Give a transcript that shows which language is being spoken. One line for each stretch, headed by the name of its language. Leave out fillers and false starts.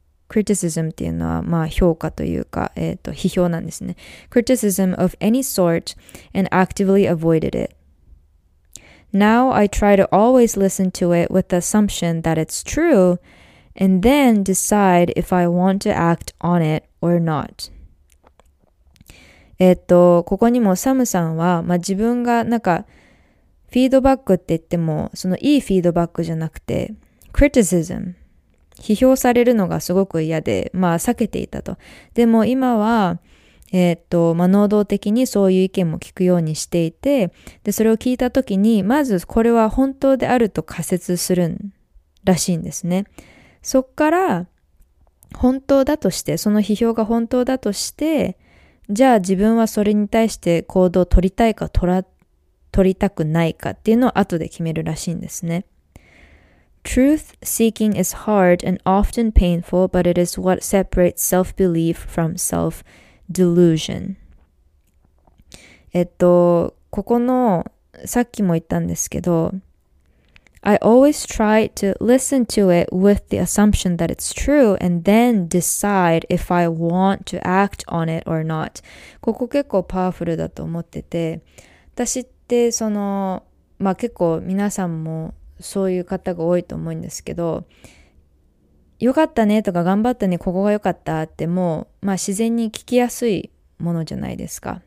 Japanese: Criticism っていうのは、まあ、評価というか、批評なんですね。
English: Criticism of any sort and actively avoided it. Now I try to always listen to it with the assumption that it's true and then decide if I want to act on it or not.
Japanese: ここにもサムさんは、まあ、自分がなんかフィードバックって言っても、そのいいフィードバックじゃなくて、クリティシズム、批評されるのがすごく嫌で、まあ避けていたと。でも今は、まあ能動的にそういう意見も聞くようにしていて、でそれを聞いた時に、まずこれは本当であると仮説するらしいんですね。そっから本当だとして、その批評が本当だとして、じゃあ自分はそれに対して行動を取りたいか取りたくないかっていうのを後で決めるらしいんですね。
English: Truth seeking is hard and often painful, but it is what separates self-belief from self-delusion.
Japanese: ここのさっきも言ったんですけど、
English: I always try to listen to it with the assumption that it's true and then decide if I want to act on it or not.
Japanese: ここ結構パワフルだと思ってて、私で、その、まあ、結構皆さんもそういう方が多いと思うんですけど、良かったねとか頑張ったね、ここが良かったって、もう、まあ、自然に聞きやすいものじゃないですか。